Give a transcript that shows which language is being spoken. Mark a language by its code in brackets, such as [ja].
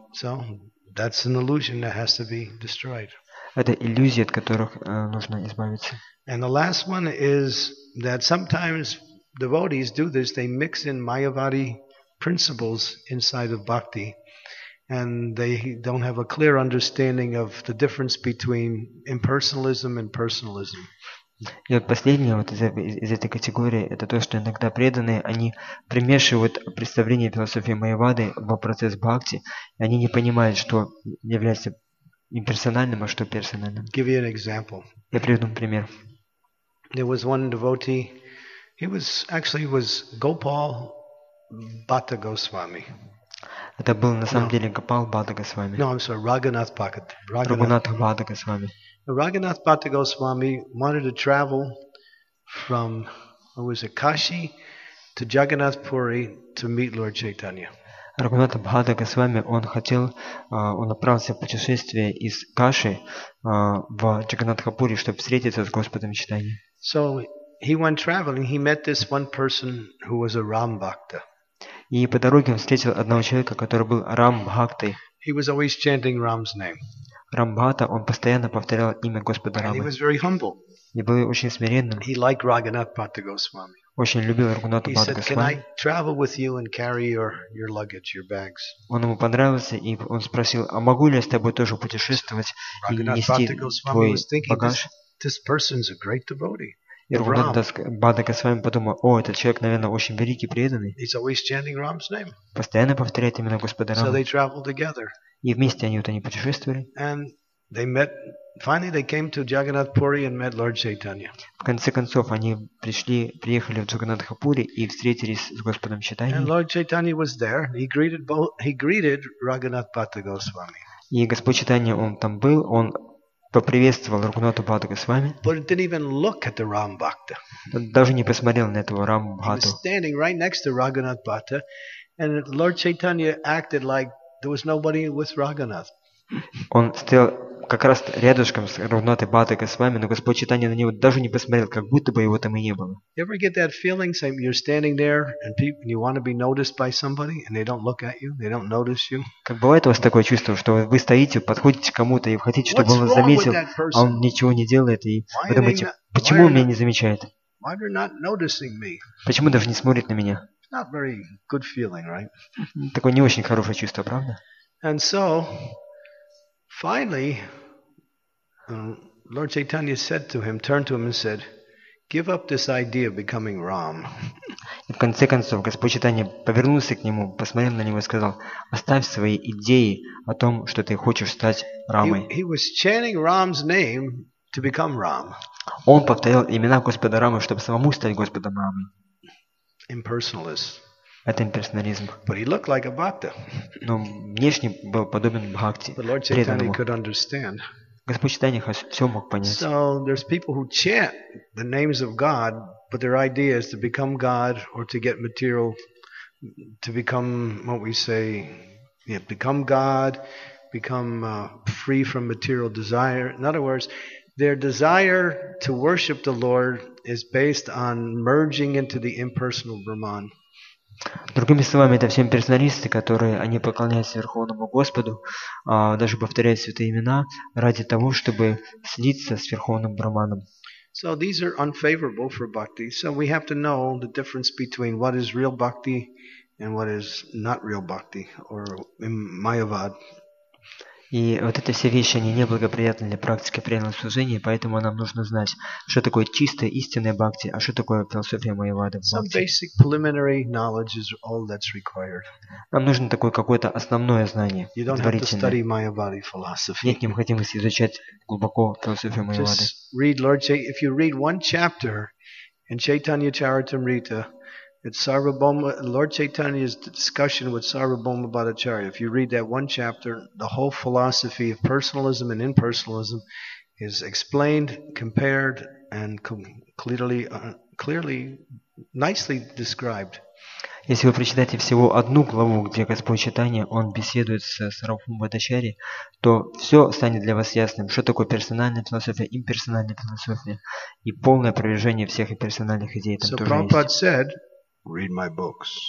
[en] So, that's an illusion that has to be destroyed. [ru] Это иллюзии, от которых нужно избавиться. [en] And the last one is that sometimes devotees do this, they mix in Mayavadi principles inside of bhakti. And they don't have a clear understanding of the difference between impersonalism and personalism. [ru] И вот последнее вот из этой категории это то, что иногда преданные они примешивают представление философии Майявады в процесс бхакти, и они не понимают, что является имперсональным, а что персональным. [en] Give you an example. [ru] Я приведу пример. [en] There was one devotee. He was Gopal Bhatta Goswami. [ru] Это был на самом деле Гопал Бхатта Госвами. [en] No, I'm sorry, Raghunath Bhatta. Raghunath Bhatta Goswami. Raghunath Bhatta Goswami wanted to travel from what was it, Kashi to Jagannath Puri to meet Lord Chaitanya. [ru] Raghunath Bhatta Goswami, он хотел, он отправился в путешествие из Каши в Джаганатхапури, чтобы встретиться с Господом Чайтанья. [en] So he went traveling, he met this one person who was a Ram Bhakta. [ru] И по дороге он встретил одного человека, который был Рам Бхактой. [en] He was always chanting Ram's name. [ru] Рам Бхатта, он постоянно повторял имя Господа Рамы. [en] And he was very humble. [ru] И был очень смиренным. [en] He liked Raghunath Bhatta Goswami. [ru] Очень любил Рагхунатха Бхатта Госвами. [en] He said, "Can I travel with you and carry your luggage, your bags?" [ru] Он ему понравился, и он спросил: "А могу ли я с тобой тоже путешествовать и нести твой багаж?" [en] This person's a great devotee. [ru] И Рагхунатха Бхатта Госвами подумал, о, этот человек, наверное, очень великий, преданный. [en] He's always chanting Ram's name. [ru] Постоянно повторяет именно Господа Рама. [en] So they traveled together. [ru] И вместе они вот они путешествовали. [en] And they met, finally they came to Jagannath Puri and met Lord Chaitanya. [ru] В конце концов, они приехали в Джаганатхапури и встретились с Господом Чайтаньей. [en] And Lord Chaitanya was there. He greeted Raghunath Bhatta Goswami. [ru] И Господь Чайтанья, он там был, он поприветствовал Рагхунатха Бхатта Госвами. [en] But he didn't even look at the Ram Bhakta. [ru] Даже не посмотрел на этого Рам Бхатту. [en] He was standing right next to Raghunath Bhatta, and Lord Chaitanya acted like there was nobody with Raghunath. [ru] Он стоял как раз рядышком с Рагхунатхой Бхаттой Госвами, но Господь Чайтанья на него даже не посмотрел, как будто бы его там и не было. [en] You ever get that feeling, say you're standing there and people you want to be noticed by somebody and they don't look at you, they don't notice you? [ru] Как бывает у вас такое чувство, что вы стоите, подходите к кому-то и вы хотите, чтобы он вас заметил, а он ничего не делает и вы думаете, почему он меня не замечает? [en] Why they're not noticing me? [ru] Почему даже не смотрит на меня? [en] Not very good feeling, right? [ru] Такое не очень хорошее чувство, правда? [en] And so finally, Lord Chaitanya said to him, turned to him and said, "Give up this idea of becoming Ram." [ru] В конце концов, Господь Читания повернулся к нему, посмотрел на него и сказал: «Оставь свои идеи о том, что ты хочешь стать Рамой». [en] He was chanting Ram's name to become Ram. [ru] Он повторял имена Господа Рамы, чтобы самому стать Господом Рамой. [en] Impersonalist. [ru] Это имперсонализм. [en] But he looked like a bhakta. [ru] Но внешне был подобен бхакти, преданному. Господь Читания все мог понять. [en] So there's people who chant the names of God, but their idea is to become God or to get material, to become what we say, yeah, become God, become free from material desire. In other words, their desire to worship the Lord is based on merging into the impersonal Brahman. [ru] Другими словами, это все имперсоналисты, которые они поклоняются Верховному Господу, даже повторяют святые имена ради того, чтобы слиться с Верховным Брахманом. [en] So these are unfavorable for bhakti. So we have to know the difference between what is real bhakti and what is not real bhakti or mayavad. [ru] И вот эти все вещи, они неблагоприятны для практики преданного служения, поэтому нам нужно знать, что такое чистая истинная бхакти, а что такое философия майявады в бхакти. [en] Some basic preliminary knowledge is all that's required. [ru] Нам нужно такое какое-то основное знание, [en] you don't have to study mayavadi philosophy. [ru] Нет необходимости изучать глубоко философию майявады. [en] Just read Lord Chaitanya. If you read one chapter in Chaitanya Charitamrita, it's Sarvabhauma, Lord Chaitanya's discussion with Sarvabhauma Bhattacharya. If you read that one chapter, the whole philosophy of personalism and impersonalism is explained, compared, and clearly, nicely described. [ru] Если вы прочитаете всего одну главу, где Господь Читания, он беседует с Сарвабхаумой Бхаттачарьей, то все станет для вас ясным, что такое персональная философия, имперсональная философия и полное опровержение всех имперсональных идей. Там [en] so [ru] тоже [en] Prabhupada [ru] есть. [en] Said, read my books.